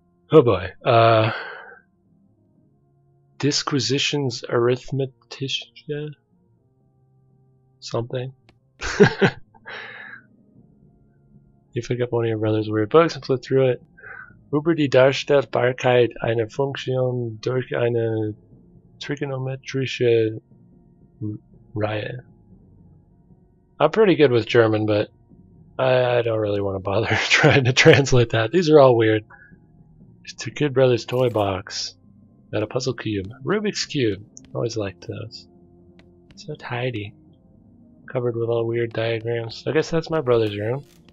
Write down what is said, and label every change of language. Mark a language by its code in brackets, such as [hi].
[en] Oh boy. Disquisitions Arithmetica? Something. You pick up one of your brother's weird books and flip through it. [de] Über die Darstellbarkeit einer Funktion durch eine trigonometrische Reihe. [en] I'm pretty good with German, but I don't really want to bother trying to translate that. These are all weird. To Kid Brother's Toy Box. Got a puzzle cube. Rubik's Cube. Always liked those. So tidy. Covered with all weird diagrams. I guess that's my brother's room.